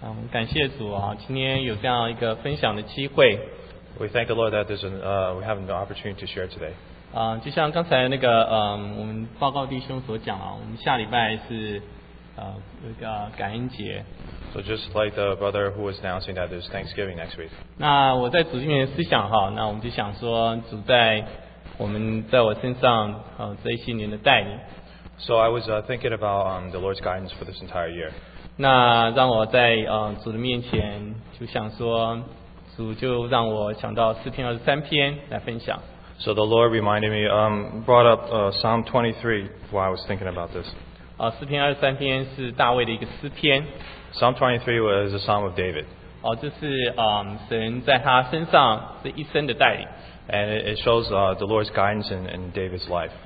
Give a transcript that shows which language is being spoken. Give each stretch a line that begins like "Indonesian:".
Chinese: 感谢主啊，今天有这样一个分享的机会。
English: We thank the Lord that there's we have an opportunity to share today.
Chinese: 就像刚才那个我们报告弟兄所讲啊，我们下礼拜是有一个感恩节。
English: So just like the brother who was announcing that there's Thanksgiving next week.
Chinese: 那我在主里面思想哈，那我们就想说主在我们在我身上这一些年的带领。
English: So I was thinking about the Lord's guidance for this entire year.
Chinese: 那让我在主的面前就想说，主就让我想到诗篇23篇来分享。
English: So the Lord reminded me, brought up Psalm 23 while I was thinking about this.
Chinese: 诗篇23篇是大卫的一个诗篇。
English: Psalm 23 was a psalm of David.
Chinese: 这是神在他身上这一生的带领。
English: And it shows the Lord's guidance in David's life.